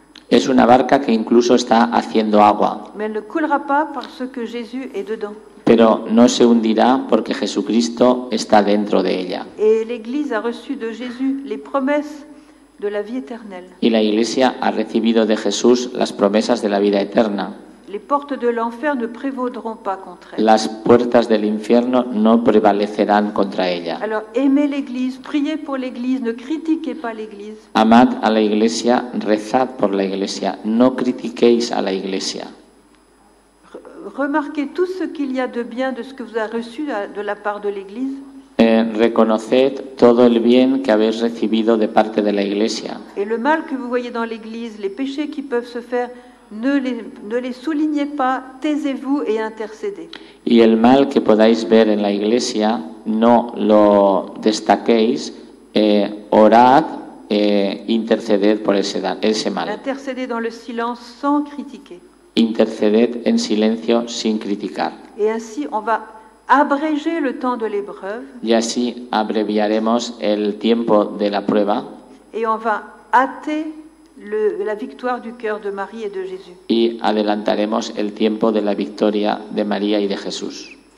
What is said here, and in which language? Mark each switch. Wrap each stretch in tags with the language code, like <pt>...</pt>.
<es>Es una barca que incluso está haciendo agua.</es> <fr>Mais elle ne coulera pas parce que Jésus est dedans.</fr> <es>Pero no se hundirá porque Jesucristo está dentro de ella.</es> <fr>Et l'Église a reçu de Jésus les promesses de la vie éternelle.</fr> <es>Y la Iglesia ha recibido de Jesús las promesas de la vida eterna.</es> <fr>Les portes de l'enfer ne prévaudront pas contre elle.</fr> <es>Las puertas del infierno no prevalecerán contra ella.</es> <fr>Alors, aimez l'Église, priez pour l'Église, ne critiquez pas l'Église.</fr> <es>Amad a la Iglesia, rezad por la Iglesia, no critiquéis a la Iglesia.</es> <fr>Remarquez tout ce qu'il y a de bien de ce que vous avez reçu de la part de l'Église.</fr> <es>Reconoced todo el bien que habéis recibido de parte de la Iglesia.</es> <fr>Et le mal que vous voyez dans l'Église, les péchés qui peuvent se faire, ne les soulignez pas, taisez-vous et intercédez.</fr> <es>Y el mal que podáis ver en la Iglesia, no lo destaquéis, orad, interceded por ese mal.</es> <fr>Intercédez dans le silence sans critiquer.</fr> <es>Interceded en silencio sin criticar.</es> <fr>Et ainsi, on va abréger le temps de l'épreuve.</fr> <es>Y así abreviaremos el tiempo de la prueba.</es> <fr>Et on va hâter la victoire du cœur de Marie et de Jésus.</fr> <es>Y adelantaremos el tiempo de la victoria de María y de Jesús.</es>